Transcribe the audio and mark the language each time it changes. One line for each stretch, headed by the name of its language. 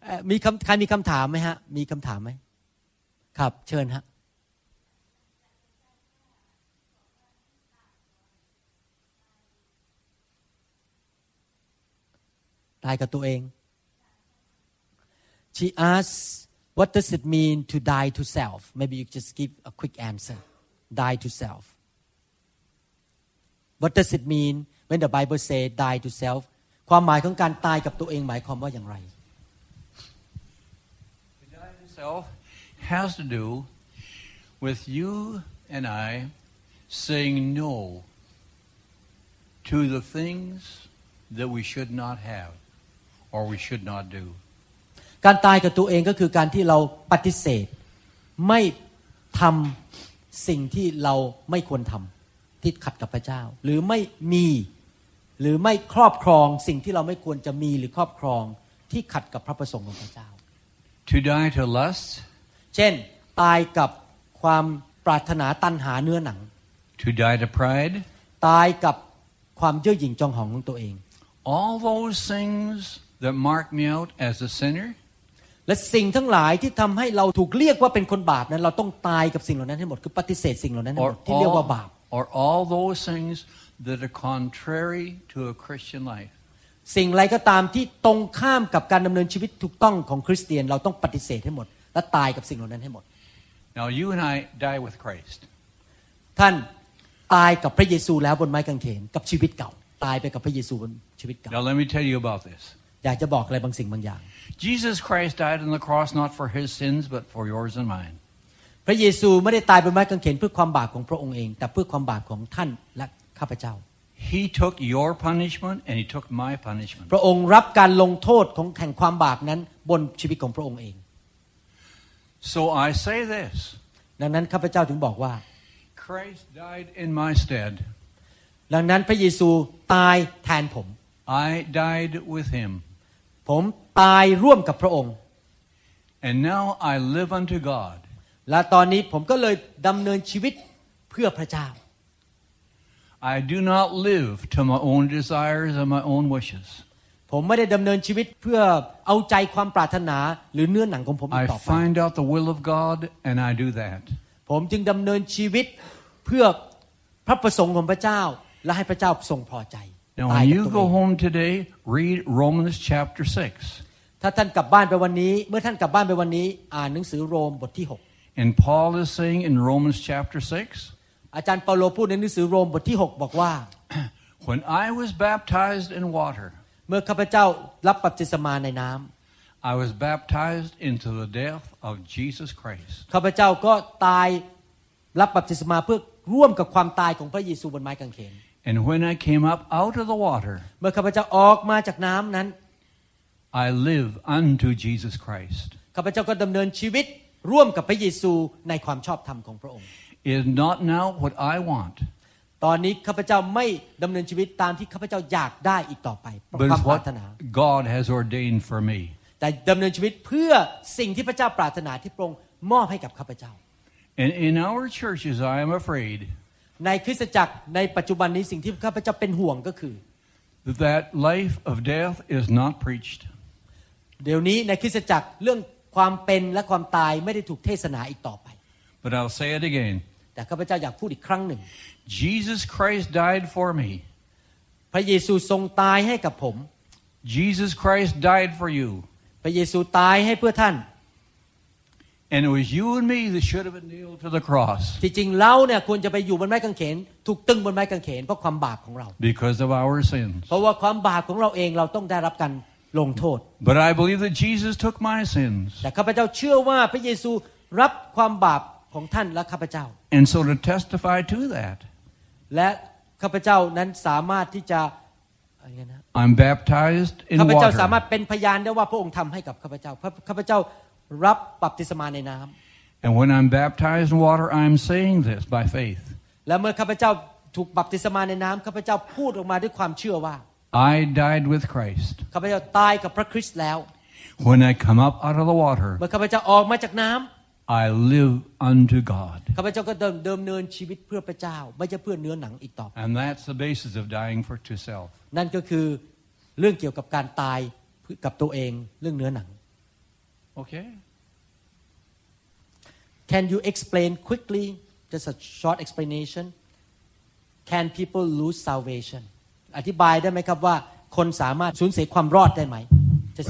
Thai: มีใครมีคำถามไหมฮะมีคำถามไหมครับเชิญฮะตายกับตัวเอง
English: She asks, "What does it mean to die to self?" Maybe you just give a quick answer. Die to self. What does it mean? When the Bible say die to self
Thai: ความหมายของการตายกับตัวเองหมายความว่าอย่างไร
English: To die to self has to do with you and I saying no to the things that we should not have or we should not do
Thai: การตายกับตัวเองก็คือการที่เราปฏิเสธไม่ทำสิ่งที่เราไม่ควรทำที่ขัดกับพระเจ้าหรือไม่มี หรือไม่ครอบครองสิ่งที่เราไม่ควรจะมีหรือครอบครองที่ขัดกับพระประสงค์ของพระเจ้า
English: To die to lust
Thai: เช่นตายกับความปรารถนาตัณหาเนื้อหนัง
English: To die to pride
Thai: ตายกับความเย่อหยิ่งจองหองของตัวเอง
English: All those things that mark me out as a sinner
Thai: และสิ่งทั้งหลายที่ทำให้เราถูกเรียกว่าเป็นคนบาปนั้นเราต้องตายกับสิ่งเหล่านั้นให้หมดคือปฏิเสธสิ่งเหล่านั้นให้หมดที่เรียกว่าบาป
English: or all those things that are contrary to a Christian life
Thai: สิ่งใดก็ตามที่ตรงข้ามกับการดำเนินชีวิตถูกต้องของคริสเตียนเราต้องปฏิเสธให้หมดและตายกับสิ่งเหล่านั้นให้หมด
English: Now you and I die with Christ
Thai: ท่านตายกับพระเยซูแล้วบนไม้กางเขนกับชีวิตเก่าตายไปกับพระเยซูบนชีวิตเก่า
English: Now let me tell you about this
Thai: อยากจะบอกอะไรบางสิ่งบางอย่าง
English: Jesus Christ died on the cross not for his sins but for yours and mine
Thai: พระเยซูไม่ได้ตายบนไม้กางเขนเพื่อความบาปของพระองค์เองแต่เพื่อความบาปของท่านและข้าพเจ้า
English: He took your punishment and he took my punishment
Thai: พระองค์รับการลงโทษของแห่งความบาปนั้นบนชีวิตของพระองค์เอง
English: So I say this
Thai: ดังนั้นข้าพเจ้าถึงบอกว่า
English: Christ died in my stead
Thai: ดังนั้นพระเยซูตายแทนผม
English: I died with him.
Thai: ผมตายร่วมกับพระองค์
English: And now I live unto God.
Thai: และตอนนี้ผมก็เลยดำเนินชีวิตเพื่อพระเจ้า
English: I do not live to my own desires and my own wishes.
Thai: ผมไม่ได้ดำเนินชีวิตเพื่อเอาใจความปรารถนาหรือเนื้อหนังของผมต่อไป
English: I find out the will of God and I do that.
Thai: ผมจึงดำเนินชีวิตเพื่อพระประสงค์ของพระเจ้าและให้พระเจ้าทรงพอใจ
English: Now, when you go home today, read Romans chapter 6.
Thai: ถ้าท่านกลับบ้านไปวันนี้เมื่อท่านกลับบ้านไปวันนี้อ่านหนังสือโรมบทที่6
English: And Paul is saying in Romans chapter 6.
Thai: อาจารย์เปาโลพูดในหนังสือโรมบทที่6บอกว่า
English: When I was baptized in water,
Thai: เมื่อข้าพเจ้ารับบัพติศมาในน้ำ
English: I was baptized into the death of Jesus Christ.
Thai: ข้าพเจ้าก็ตายรับบัพติศมาเพื่อร่วมกับความตายของพระเยซูบนไม้กางเขน
English: And when I came up out of the water,
Thai: เมื่อข้าพเจ้าออกมาจากน้ำนั้น
English: I live unto Jesus Christ.
Thai: ข้าพเจ้าก็ดำเนินชีวิตร่วมกับพระเยซูในความชอบธรรมของพระองค์
English: Is not now what I want.
Thai: ตอนนี้ข้าพเจ้าไม่ดำเนินชีวิตตามที่ข้าพเจ้าอยากได้อีกต่อไป เพรา ะความ ปรารถนา
English: God has ordained for me.
Thai: แต่ดำเนินชีวิตเพื่อสิ่งที่พระเจ้าปรารถนาที่พระองค์มอบให้กับข้าพเจ้า
English: And in our churches, I am afraid.
Thai: ในคริสตจักรในปัจจุบันนี้สิ่งที่ข้าพเจ้าเป็นห่วงก็คือ
English: that life of death is not preached
Thai: เดี๋ยวนี้ในคริสตจักรเรื่องความเป็นและความตายไม่ได้ถูกเทศนาอีกต่อไป
English: but I'll say it again
Thai: แต่ข้าพเจ้าอยากพูดอีกครั้งหนึ่ง
English: Jesus Christ died for me
Thai: พระเยซูทรงตายให้กับผม
English: Jesus Christ died for you
Thai: พระเยซูตายให้เพื่อท่าน
English: And it was you and me that should have been nailed to the cross.
Thai: จริงๆเราเนี่ยควรจะไปอยู่บนไม้กางเขนถูกตึงบนไม้กางเขนเพราะความบาปของเรา
English: Because of our sins.
Thai: เพราะว่าความบาปของเราเองเราต้องได้รับการลงโทษ
English: But I believe that Jesus took my sins.
Thai: แต่ข้าพเจ้าเชื่อว่าพระเยซูรับความบาปของท่านและข้าพเจ้า
English: And so to testify to that.
Thai: และข้าพเจ้านั้นสามารถที่จะ
English: I'm baptized in water.
Thai: ข้าพเจ้าสามารถเป็นพยานได้ว่าพระองค์ทำให้กับข้าพเจ้าข้าพเจ้ารับบัพติศมาในน้ำ
English: And when I'm baptized in water I'm saying this by faith
Thai: และเมื่อข้าพเจ้าถูกบัพติศมาในน้ำข้าพเจ้าพูดออกมาด้วยความเชื่อว่า
English: I died with Christ
Thai: ข้าพเจ้าตายกับพระคริสต์แล้ว
English: When I come up out of the water
Thai: เมื่อข้าพเจ้าออกมาจากน้ำ
English: I live unto God
Thai: ข้าพเจ้าก็ดำเนินชีวิตเพื่อพระเจ้าไม่ใช่เพื่อเนื้อหนังอีกต่อไป
English: And that's the basis of dying for to self
Thai: นั่นก็คือเรื่องเกี่ยวกับการตายกับตัวเองเรื่องเนื้อหนัง
English: Okay. Can you explain quickly, just a short explanation? Can people lose salvation?
Thai: อธิบายได้ไหมครับว่าคนสามารถสูญเสียความรอดได้ไหม Just